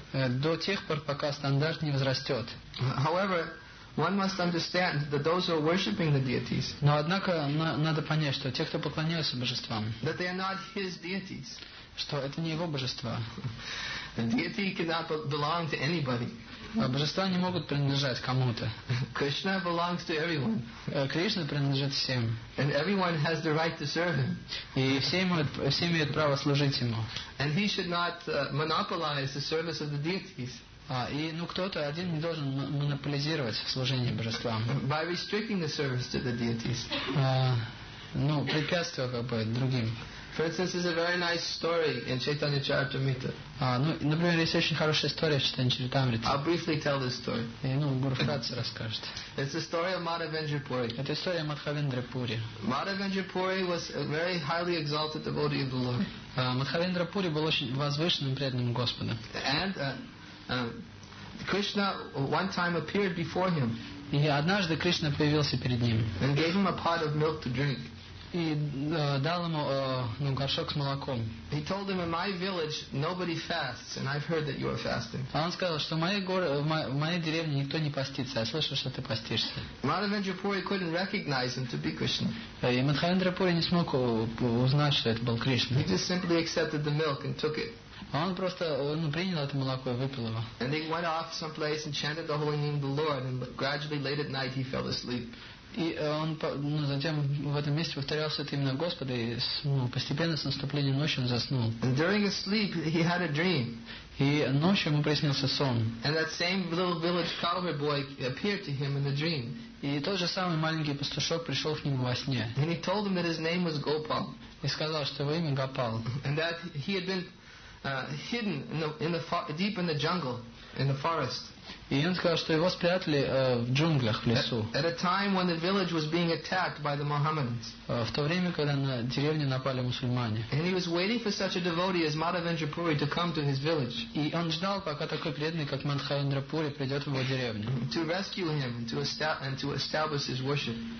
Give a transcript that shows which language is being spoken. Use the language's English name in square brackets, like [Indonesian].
[Russian] До тех пор, пока стандарт не возрастет. [English] However, one must understand that those who are worshipping the deities. [Russian] Но однако надо понять, что те, кто поклоняются божествам. [English] That they are not his deities. [Russian] Что это не его божества. [English] A deity cannot belong to anybody. [Russian] Божества не могут принадлежать кому-то. [English] Krishna belongs to everyone. [Russian] Кришна принадлежит всем. [English] And everyone has the right to serve him. [Russian] И все имеют право служить ему. [English] And he should not monopolize the service of the deities. [Russian] И, ну, кто-то один не должен монополизировать служение божествам. [English] By restricting the service to the deities. [Russian] Ну, препятствуя, как бы, другим. [English] For instance, there's a very nice story in Chaitanya Charitamrita. [Russian] Ну, например, есть очень хорошая история в Чайтанья Чаритамрите. [English] I'll briefly tell this story. [Russian] И, ну, буду вкратце расскажет. [English] It's a story of Madhavendrapuri. [Russian] Это история Мадхавендрапури. [English] Madhavendrapuri was a very highly exalted devotee of the Lord. [Russian] Мадхавендрапури был очень возвышенным преданным Господа. [English] And Krishna one time appeared before him. [Russian] И однажды Кришна появился перед ним. [English] And gave him a pot of milk to drink. [Russian] И дал ему горшок с молоком. [English] He told him, in my village nobody fasts, and I've heard that you are fasting. [Russian] А он сказал, что в моей деревне никто не постится, я слышал, что ты постишься. [English] Madhavendrapuri couldn't recognize him to be Krishna. [Russian] И Мадхавендрапури не смог узнать, что это был Кришна. [English] He just simply accepted the milk and took it. [Russian] А он просто принял это молоко и выпил его. [English] And he went off someplace and chanted the holy name of the Lord, and gradually late at night he fell asleep. [Russian] И он, ну, затем в этом месте повторял это имя Господа, и, ну, постепенно с наступлением ночи он заснул. [English] And during his sleep, he had a dream. [Russian] И ночью ему приснился сон. [English] And that same little village cowherd boy appeared to him in the dream. [Russian] И тот же самый маленький пастушок пришел к нему во сне. [English] And he told him that his name was Gopal. [Russian] И сказал, что его имя Гопал. [English] And that he had been hidden deep in the jungle, in the forest. [Russian] И он сказал, что его спрятали в джунглях, в лесу. [English] At a time when the village was being attacked by the Mohammedans. [Russian] В то время, когда на деревню напали мусульмане. [English] And he was waiting for such a devotee as Madhavendrapuri to come to his village. [Russian] И он ждал, пока такой преданный, как Мадхавендрапури, придет в его деревню. [English] To rescue him and to establish his worship.